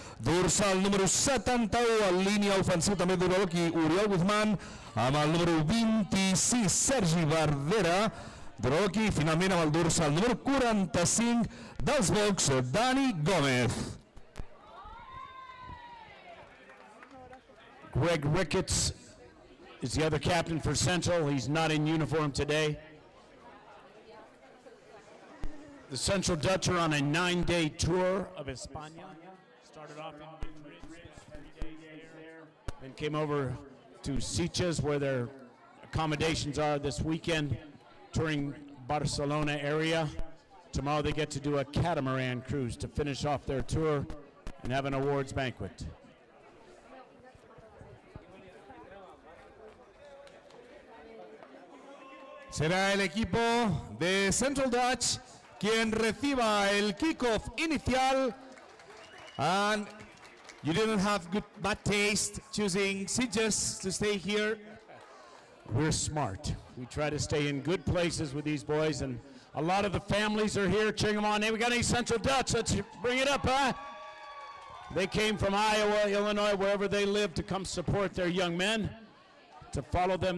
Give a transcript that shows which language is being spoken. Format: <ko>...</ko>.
<ca>Dorsal número 71, en línia ofensiva també d'Uralaki, Oriol Guzmán. Amb el número 26, Sergi Verdera. D'Uralaki, finalment, amb el dorsal número 45 dels Box, Dani Gómez.</ca> <en>Greg Ricketts is the other captain for Central. He's not in uniform today. The Central Dutch are on a 9-day tour of Hispania. Started off in Madrid, 3 days there, then came over to Sitges, where their accommodations are this weekend, touring Barcelona area. Tomorrow they get to do a catamaran cruise to finish off their tour and have an awards banquet.</en> <es>Será el equipo de Central Dutch quien reciba el kickoff inicial.</es> <en>And you didn't have good bad taste choosing Sitges to stay here. We're smart. We try to stay in good places with these boys, and a lot of the families are here cheering them on. Hey, we got any Central Dutch? Let's bring it up, huh? They came from Iowa, Illinois, wherever they live, to come support their young men, to follow them.</en>